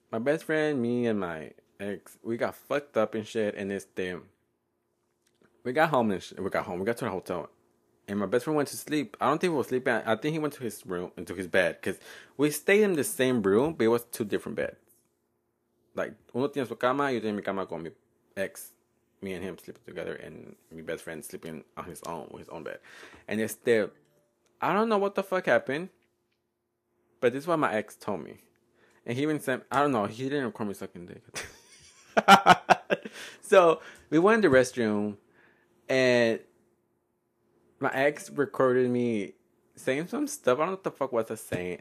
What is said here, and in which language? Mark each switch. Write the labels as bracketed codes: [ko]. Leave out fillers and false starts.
[en] My best friend, me, and my ex, we got fucked up and shit. And we got home and shit. We got to the hotel. And my best friend went to sleep. I don't think he was sleeping. I think he went to his room, into his bed. Because we stayed in the same room, but it was two different beds. Like, [es] uno tiene su cama, yo tengo mi cama con mi ex. [en] Me and him sleeping together. And my best friend sleeping on his own, with his own bed. And I don't know what the fuck happened. But this is what my ex told me. And he even sent, I don't know, he didn't record me sucking dick. So, we went in the restroom. And my ex recorded me saying some stuff. I don't know what the fuck was I saying.